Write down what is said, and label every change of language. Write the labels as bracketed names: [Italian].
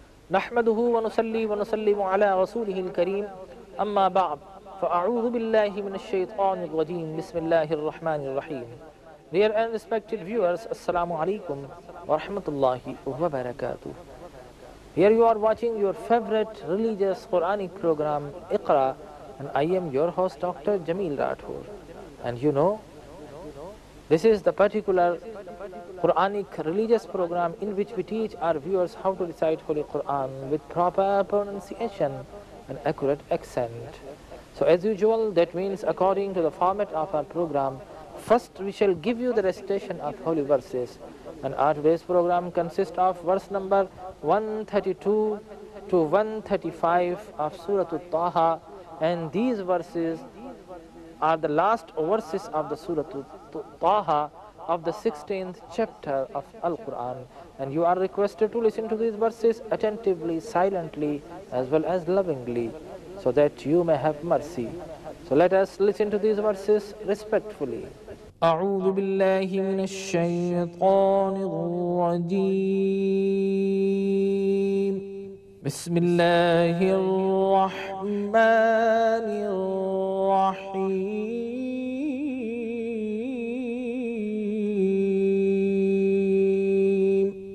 [Arabic] نحمده ونصلي ونسلم على رسوله الكريم أما بعد فأعوذ بالله من الشيطان الرجيم بسم الله الرحمن الرحيم [English] Dear and respected viewers, Assalamu alaikum wa rahmatullahi wa barakatuh. Here you are watching your favorite religious Quranic program, Iqra, and I am your host, Dr. Jameel Rathor. And you know, this is the particular Quranic religious program in which we teach our viewers how to recite Holy Quran with proper pronunciation and accurate accent. So as usual, that means according to the format of our program, first we shall give you the recitation of holy verses. And our today's program consists of verse number 132 to 135 of Surah Taha. And these verses are the last verses of the Surah Taha of the 16th chapter of Al-Quran. And you are requested to listen to these verses attentively, silently, as well as lovingly, so that you may have mercy. So let us listen to these verses respectfully. [Arabic] أعوذ بالله من الشيطان الرجيم بسم الله الرحمن الرحيم